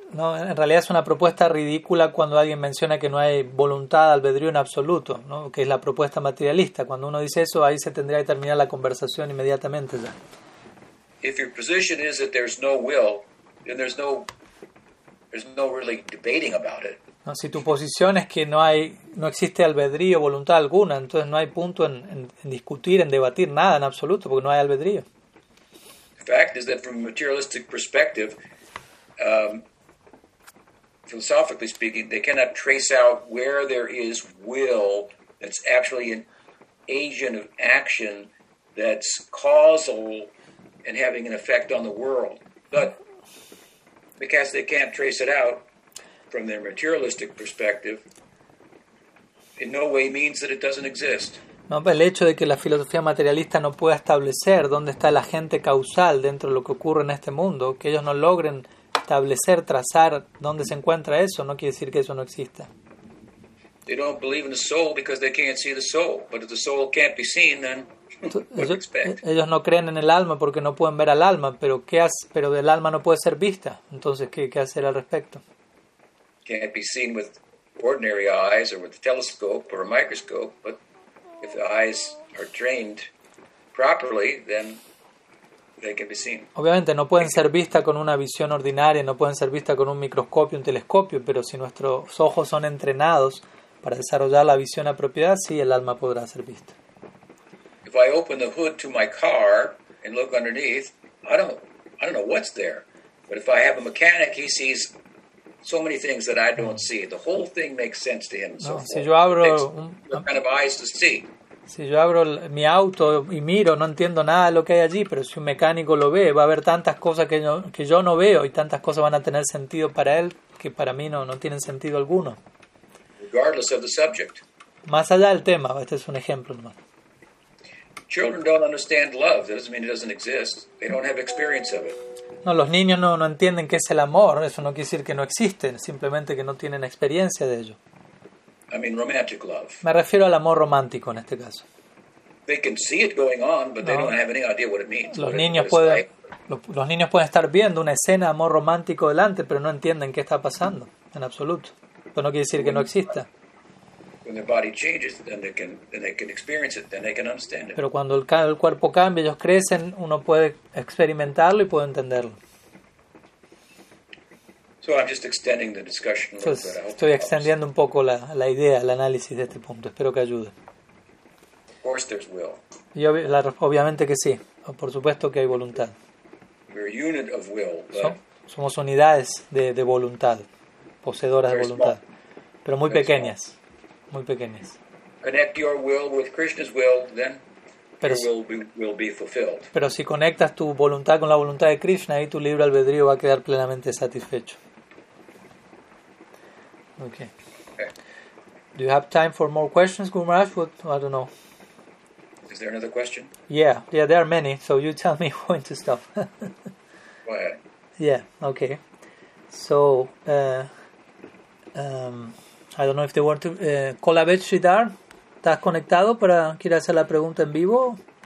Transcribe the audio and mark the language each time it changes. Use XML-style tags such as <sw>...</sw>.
<es>No, en realidad es una propuesta ridícula cuando alguien menciona que no hay voluntad, albedrío en absoluto, ¿no? Que es la propuesta materialista. Cuando uno dice eso, ahí se tendría que terminar la conversación inmediatamente ya.</es> <en>If your position is that there's no will, then there's no really debating about it.</en> <es>No, si tu posición es que no existe albedrío, voluntad alguna, entonces no hay punto en discutir, en debatir nada en absoluto, porque no hay albedrío.</es> <en>The fact is that from a materialistic perspective, philosophically speaking, they cannot trace out where there is will that's actually an agent of action that's causal and having an effect on the world. But because they can't trace it out from their materialistic perspective, in no way means that it doesn't exist.</en> <es>No, el hecho de que la filosofía materialista no pueda establecer dónde está el agente causal dentro de lo que ocurre en este mundo, que ellos no logren establecer, trazar dónde se encuentra eso, no quiere decir que eso no exista.</es> <en>They don't believe in the soul because they can't see the soul, but if the soul can't be seen, then</en> <es>ellos no creen en el alma porque no pueden ver al alma, pero el alma no puede ser vista, entonces qué hacer al respecto.</es> <en>Can't be seen with ordinary eyes or with a telescope or a microscope, but if the eyes are trained properly, then they can be seen.</en> <es>Obviamente no pueden ser vistas con una visión ordinaria, no pueden ser vistas con un microscopio, un telescopio, pero si nuestros ojos son entrenados para desarrollar la visión apropiada, sí, el alma podrá ser vista.</es> <en>If I open the hood to my car and look underneath, I don't know what's there. But if I have a mechanic, he sees so many things that I don't see. The whole thing makes sense to him.</en> <es>No, si yo abro</es> <en>kind of eyes to see.</en> <es>Si yo abro mi auto y miro, no entiendo nada de lo que hay allí, pero si un mecánico lo ve, va a haber tantas cosas que yo no veo y tantas cosas van a tener sentido para él que para mí no tienen sentido alguno.</es> <en>Regardless of the subject.</en> <es>Más allá del tema, este es un ejemplo nomás.</es> <en>Children don't understand love. That doesn't mean it doesn't exist. They don't have experience of it.</en> <es>No, los niños no entienden qué es el amor. Eso no quiere decir que no existen. Simplemente que no tienen experiencia de ello.</es> <en>I mean romantic love.</en> <es>Me refiero al amor romántico en este caso.</es> <en>They can see it going on, but they don't have any idea what it means.</en> <es>Los niños pueden estar viendo una escena de amor romántico delante, pero no entienden qué está pasando en absoluto. Eso no quiere decir que no exista.</es> <en>When their body changes, then they can experience it, then they can understand it.</en> <es>Pero cuando el cuerpo cambia, ellos crecen, uno puede experimentarlo y puede entenderlo.</es> <en>So I'm just extending the discussion a little bit.</en> <es>Estoy extendiendo un poco la idea, el análisis de este punto. Espero que ayude.</es> <en>Of course there's will.</en> <es>Obviamente que sí. Por supuesto que hay voluntad.</es> <en>We're a unit of will.</en> <es>Somos unidades de voluntad, poseedoras de voluntad, pero muy pequeñas. Muy pequeñas.</es> <en>Connect your will with Krishna's will, then your will be fulfilled.</en> <es>Pero si conectas tu voluntad con la voluntad de Krishna, ahí tu libre albedrío va a quedar plenamente satisfecho.</es> <en>Okay. Do you have time for more questions, Guru Maharaj? I don't know. Is there another question? Yeah, there are many, so you tell me when to stop. Go ahead. Yeah, okay. So, I don't know if they want to call a bit, Sridhar.</en> <es>¿Estás conectado para querer hacer la pregunta en vivo?</es>